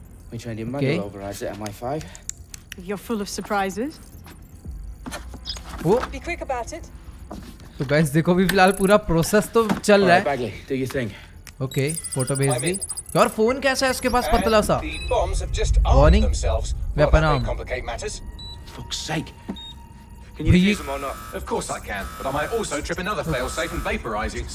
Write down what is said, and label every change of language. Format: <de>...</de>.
<en>We trained your mother overrides at MI5. You're full of surprises. Oh. Be quick about it. So guys,</en> <hi>देखो अभी फिलहाल पूरा process तो चल रहा है।</hi> <en>Bagley, do your thing.</en> <hi>Okay, photo भेज दी। और फोन कैसा है उसके पास पतला सा?</hi> <en>The bombs have just armed themselves. Weapon arm. Complicate matters. Fuck's sake. Can you use them or not? Of course I can, but I might also trip another failsafe and vaporize it.</en>